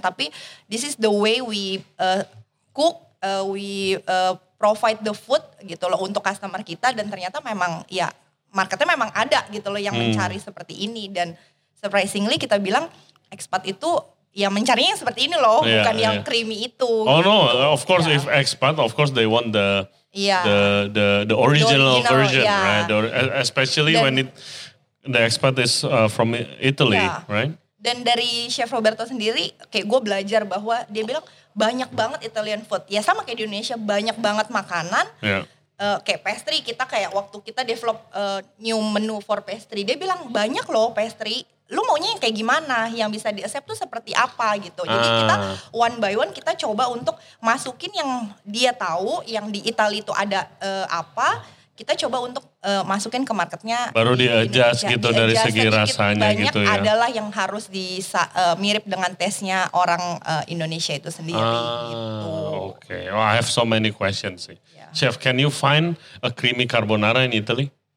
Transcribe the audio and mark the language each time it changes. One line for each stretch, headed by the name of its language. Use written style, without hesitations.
English: Tapi this is the way we cook, we provide the food
Indonesian: gitu loh untuk customer kita. Dan ternyata memang ya marketnya memang ada gitu loh yang mencari seperti ini. Dan surprisingly kita bilang expat itu ya mencarinya seperti ini loh. Yeah, bukan yang creamy itu. Oh gitu.
English: Of course if expat, of course they want the the original version, right? Especially when it... The expat is from Italy, right?
Indonesian: Dan dari Chef Roberto sendiri, kayak gue belajar bahwa dia bilang banyak banget Italian food. Ya sama kayak di Indonesia, banyak banget makanan.
English: Yeah.
Indonesian: Kayak pastry, kita kayak waktu kita
English: develop new menu for pastry.
Indonesian: Dia bilang banyak loh pastry, lu maunya yang kayak gimana? Yang bisa di-accept tuh seperti apa gitu. Jadi kita
English: one by one
Indonesian: kita coba untuk masukin yang dia tahu, yang di Italy itu ada apa. Kita coba untuk masukin ke marketnya. Baru di-adjust gitu di dari segi rasanya gitu ya. Banyak adalah yang harus mirip dengan tesnya orang Indonesia itu sendiri.
English: Okay. Well, I have so many questions. Yeah. Chef, can you find a creamy carbonara in Italy?